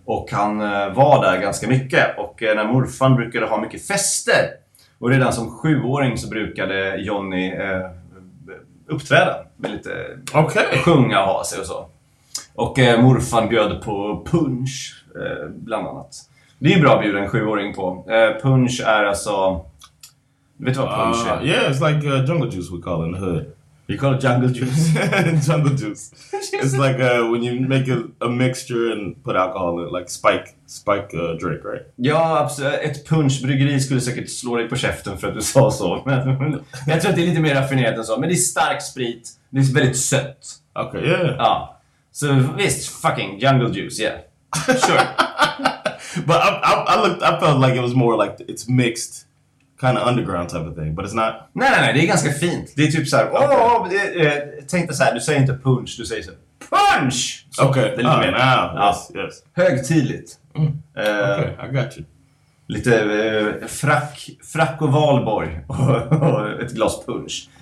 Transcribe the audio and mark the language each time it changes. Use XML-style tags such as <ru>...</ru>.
<sv>Och han var där ganska mycket. Och när morfan brukade ha mycket fester, och redan som 7-åring så brukade Johnny uppträda med lite,</sv> <en>okay.</en> <sv>Sjunga och ha sig och så. Och morfan bjöd på punch bland annat. Det är ju bra att bjuda en 7-åring på. Punch är alltså, vet du vad punch är?</sv> <en>Yeah, it's like jungle juice we call it in the hood. You call it jungle juice? Jungle juice. It's like when you make a mixture and put alcohol in it. Like spike drink, right?</en> <sv>Ja, absolut. Ett punchbryggeri skulle säkert slå dig på käften för att du sa så. Men jag tror att det är lite mer raffinerat än så. Men det är stark sprit. Det är väldigt sött.</sv> <en>Okay, yeah.</en> <sv>Ja. Så visst,</sv> <en>fucking jungle juice, yeah. Sure. But I felt like it was more like it's mixed. Kind of underground type of thing, but it's not.</en> <sv>Nej, det är ganska fint. Det är typ så här, tänk dig så här, du säger inte punch, du säger så punch. Okej. Det är lite mer.</sv> <en>Yes.</en> <sv>Högtidligt.</sv> <en>Okay, I got you.</en> <sv>Lite frack och valborg och ett glas punch.</sv>